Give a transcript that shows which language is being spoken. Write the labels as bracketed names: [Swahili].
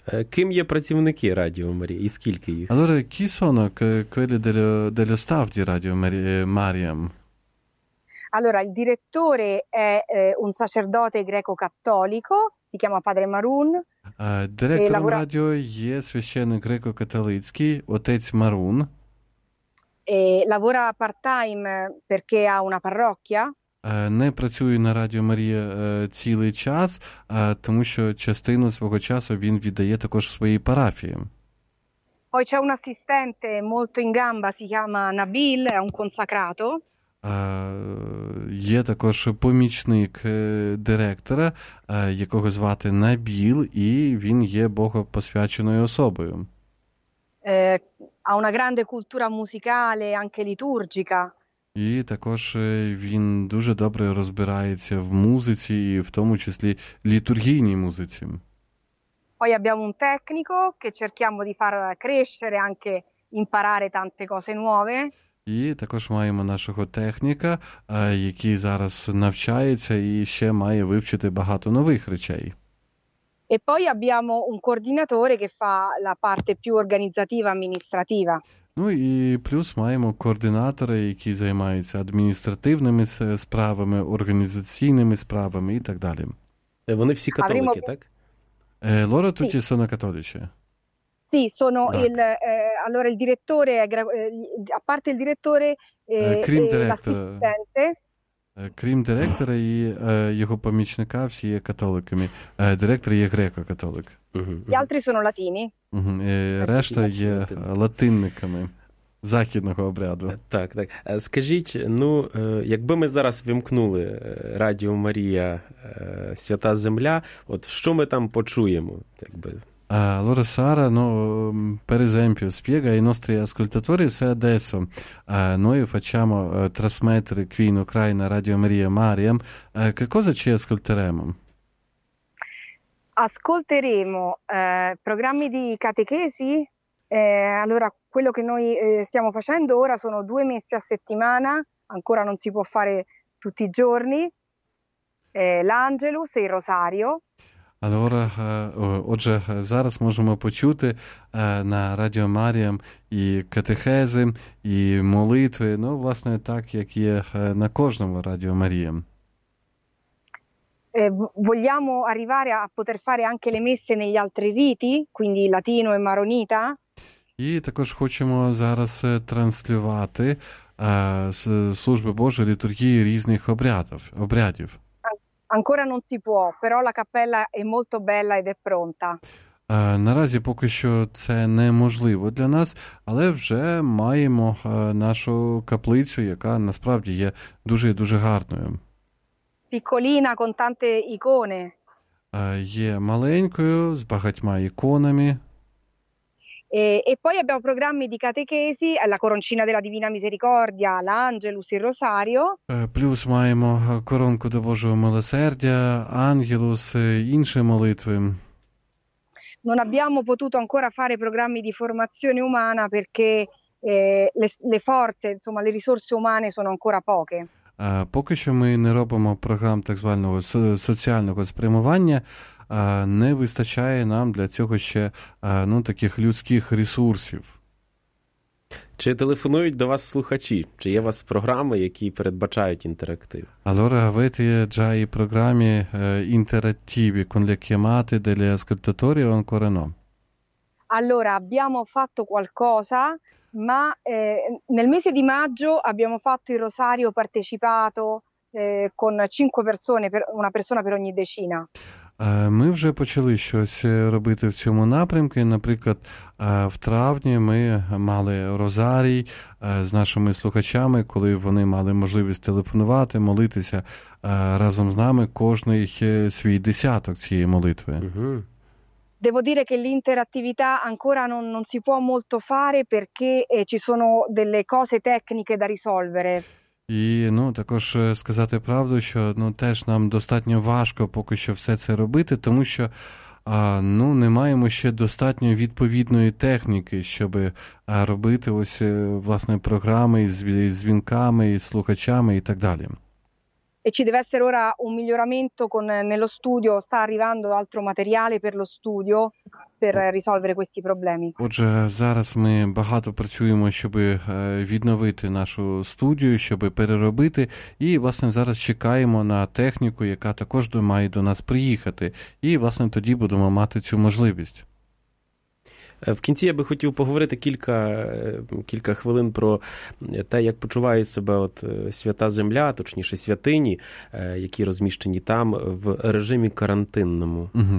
[Ukrainian] Ким є працівники Радіо Марія і скільки їх? [Italian] Allora, chi sono quelli dello staff di Radio Maria? Allora, il direttore è un sacerdote greco-cattolico, si chiama Padre Marun. [Ukrainian] Директором радіо є священник греко-католицький, отець Марун. [Italian] E lavora part-time perché ha una parrocchia. [Ukrainian] Не працює на Радіо Марія цілий час, тому що частину свого часу він віддає також своїй парафії. [Italian] Poi c'è un assistente molto in gamba, si chiama Nabil, è un consacrato. [Ukrainian] Є також помічник директора, якого звати Набіл, і він є богопосвяченою особою. [Italian] Ha una grande cultura musicale, anche liturgica. [Ukrainian] І також він дуже добре розбирається в музиці, і в тому числі літургійній музиці. [Italian] Poi abbiamo un tecnico che cerchiamo di far crescere, anche imparare tante cose nuove. [Ukrainian] І також маємо нашого техніка, який зараз навчається і ще має вивчити багато нових речей. [Italian] E poi abbiamo un coordinatore che fa la parte più organizzativa amministrativa. [Ukrainian] І плюс маємо координатора, який займається адміністративними справами, організаційними справами і так далі. Вони всі католики, [Italian] Avremo... [Ukrainian] так? [Italian] Loro tutti sì. sono cattolici. Sì, sono [Ukrainian] так. [Italian] il allora il direttore a parte il direttore [Ukrainian] крім директора, [Italian] l'assistente. [Ukrainian] Крім директора і його помічника всі є католиками. Директор є греко-католик. [Italian] Gli altri sono latini. [Ukrainian] Решта є латинниками західного обряду. Так, так. Скажіть, якби ми зараз вимкнули Радіо Марія Свята Земля, от що ми там почуємо, якби? [Italian] Allora Sara, per esempio, spiega ai nostri ascoltatori se adesso noi facciamo trasmettere qui in Ucraina Radio Maria Mariam, che cosa ci ascolteremo? Ascolteremo programmi di catechesi. Allora, quello che noi stiamo facendo ora sono due messe a settimana, ancora non si può fare tutti i giorni, l'Angelus e il Rosario. [Ukrainian] Allora, отже, зараз можемо почути на Радіо Маріям і катехези, і молитви, власне, так, як є на кожному Радіо Маріям. [Italian] Vogliamo arrivare a poter fare anche le messe negli altri riti, quindi latino e maronita. [Ukrainian] І також хочемо зараз транслювати служби Божої літургії різних обрядів. [Italian] Ancora non si può, però la cappella è molto bella ed è pronta. [Ukrainian] Наразі поки що це неможливо для нас, але вже маємо нашу каплицю, яка насправді є дуже-дуже гарною. [Italian] Piccolina con tante icone. [Ukrainian] Є маленькою, з багатьма іконами. [Italian] E poi abbiamo programmi di catechesi, la coroncina della Divina Misericordia, l'Angelus, il Rosario. [Ukrainian] Plus маємо коронку до Божого Милосердя, Ангелус, інші молитви. [Italian] Non abbiamo potuto ancora fare programmi di formazione umana perché le forze, insomma, le risorse umane sono ancora poche. [Ukrainian] Поки що ми не робимо програм так званого соціального спрямування, не вистачає нам для цього ще таких людських ресурсів. Чи телефонують до вас слухачі? Чи є у вас програми, які передбачають інтерактив? [Italian] Allora, avete già i programmi interattivi con le chiamate degli ascoltatori o ancora no? Allora, abbiamo fatto qualcosa, ma nel mese di maggio abbiamo fatto il rosario partecipato con 5 persone, una persona per ogni decina. [Ukrainian] Ми вже почали щось робити в цьому напрямку. Наприклад, в травні ми мали розарій з нашими слухачами, коли вони мали можливість телефонувати, молитися разом з нами кожний свій десяток цієї молитви. [Italian] Devo dire che l'interattività ancora non si può molto fare perché ci sono delle cose tecniche da risolvere. [Ukrainian] І, також сказати правду, що, теж нам достатньо важко поки що все це робити, тому що, не маємо ще достатньо відповідної техніки, щоб робити ось, власне, програми із дзвінками, із слухачами і так далі. [Italian] E ci deve essere ora un miglioramento nello studio, sta arrivando altro materiale per lo studio per risolvere questi problemi. [Ukrainian] Отже, зараз ми багато працюємо, щоб відновити нашу студію, щоб переробити, і, власне, зараз чекаємо на техніку, яка також має до нас приїхати, і, власне, тоді будемо мати цю можливість. В кінці я би хотів поговорити кілька хвилин про те, як почуває себе свята земля, точніше святині, які розміщені там в режимі карантинному.